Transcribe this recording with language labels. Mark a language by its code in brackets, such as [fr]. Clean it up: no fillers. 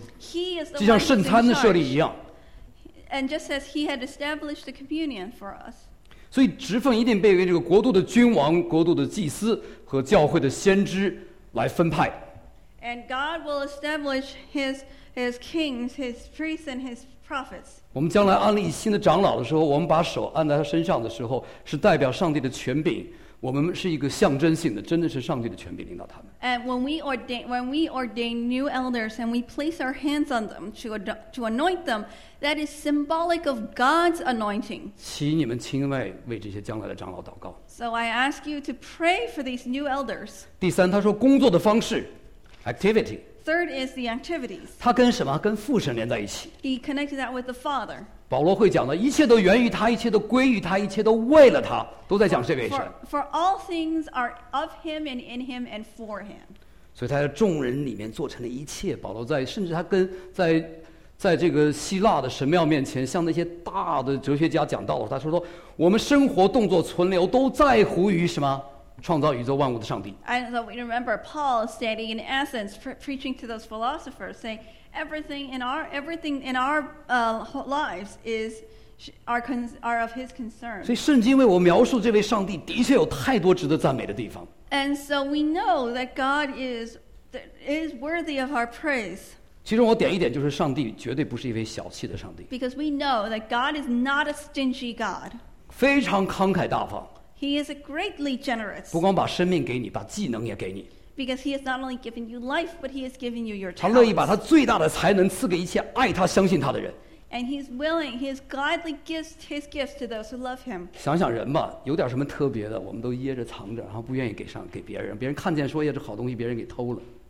[en] He is the one. [zh] 就像圣餐的设立一样。 [en] And just as he had established the communion for us, [zh] 所以职分一定被这个国度的君王、国度的祭司和教会的先知来分派。 [en] And God will establish his kings, his priests, and his prophets. [zh] 我们将来安立新的长老的时候，我们把手按在他身上的时候，是代表上帝的权柄。我们是一个象征性的，真的是上帝的权柄领导他们。 [en] And when we ordain new elders and we place our hands on them to anoint them, that is symbolic of God's anointing. [zh] 请你们亲爱为这些将来的长老祷告。 [en] So I ask you to pray for these new elders. [zh] 第三，他说工作的方式 ，activity. [en] Third is the activities. [zh] 他跟什么？跟父神连在一起。 [en] He connected that with the Father. [zh] 保罗会讲的，一切都源于他，一切都归于他，一切都为了他，都在讲这位神。 [en] For all things are of him and in him and for him. [zh] 所以他在众人里面做成了一切。保罗在，甚至他跟在。在这个希腊的神庙面前，向那些大的哲学家讲道了。他说：“我们生活、动作、存留都在乎于什么？创造宇宙万物的上帝。” [en] And so we remember Paul standing in Athens preaching to those philosophers, saying everything in our lives is are of his concern. [zh] 所以圣经为我描述这位上帝，的确有太多值得赞美的地方。 [en] And so we know that God is worthy of our praise. [zh] 其中我点一点，就是上帝绝对不是一位小气的上帝。 [en] Because we know that God is not a stingy God. [zh] 非常慷慨大方。 [en] He is a greatly generous. [zh] 不光把生命给你，把技能也给你。 [en] Because he has not only given you life, but he has given you your [zh] talents. 他乐意把他最大的才能赐给一切爱他、相信他的人。 [en] And he's willing, he has gladly gives his gifts to those who love him. [zh] 想想人吧，有点什么特别的，我们都掖着藏着，然后不愿意给上给别人，别人看见说也是好东西，别人给偷了。